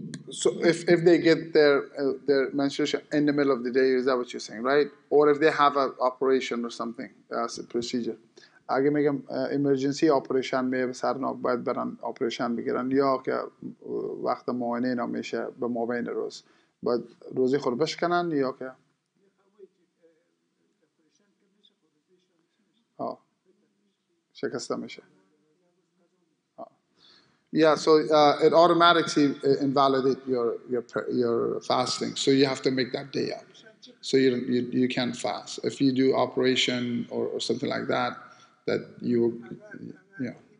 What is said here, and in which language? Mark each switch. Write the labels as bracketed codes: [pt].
[en] So if they get their menstruation in the middle of the day, is that what you're saying, right? Or if they have an operation or something, that's a procedure. [fa] اگه میگم emergency operation میه به سر نوک باید برن operation بگیرن یا که وقت معاینه نمیشه به مابین روز باید روزی خود بشکنن یا که شکسته میشه. [en] Yeah, so it automatically invalidates your fasting, so you have to make that day up. So you can't fast if you do operation or something like that. That you, yeah.